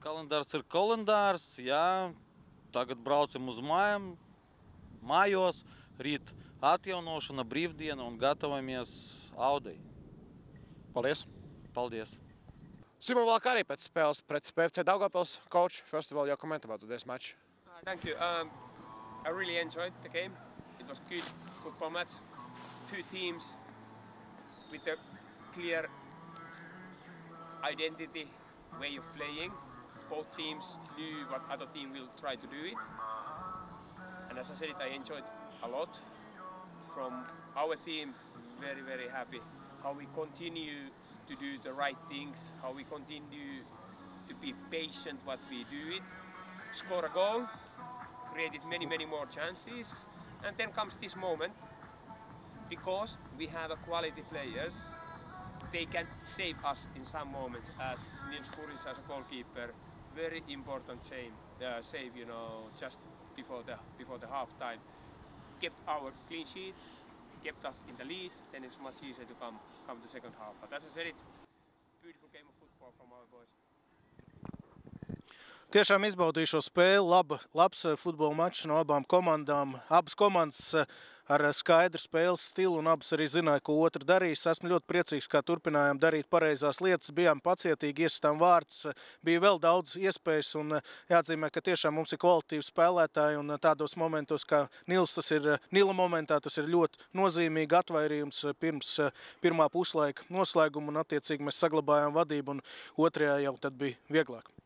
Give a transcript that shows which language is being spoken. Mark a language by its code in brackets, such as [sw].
[lv] Kalendārs ir kalendārs. Jā, tagad braucam uz mājām, mājos, rīt atjaunošana, brīvdiena un gatavamies audai. Paldies! Paldies! Simon vēl arī pēc spēles pret BFC Daugavpils. [en] Coach, first of all, your comment about this match. Thank you. I really enjoyed the game. It was good football match. Two teams with a clear identity, way of playing. Both teams knew what other team will try to do it. And as I said, I enjoyed a lot. From our team, very, very happy. How we continue to do the right things, how we continue to be patient what we do it. Score a goal. Created many, many more chances. And then comes this moment, because we have a quality players, they can save us in some moments, as Nils Kuris as a goalkeeper, very important save, you know, just before the half-time. Kept our clean sheet, kept us in the lead, then it's much easier to come to second half. But as I said, it's a beautiful game of football from our boys. [lv] Tiešām izbaudīju šo spēli, labs futbola mačs no abām komandām. Abas komandas ar skaidru spēles stilu un abas arī zināja, ko otra darīs. Esmu ļoti priecīgs, kā turpinājām darīt pareizās lietas. Bijām pacietīgi, iestām vārds, bija vēl daudz iespējas un jāatzīmē, ka tiešām mums ir kvalitīvi spēlētāji un tādos momentos, kā Nils, tas ir Nila momentā, tas ir ļoti nozīmīgi atvairījums pirms pirmā puslaika noslēguma un attiecīgi mēs saglabājām vadību un otrajā jau tad bija vieglāk.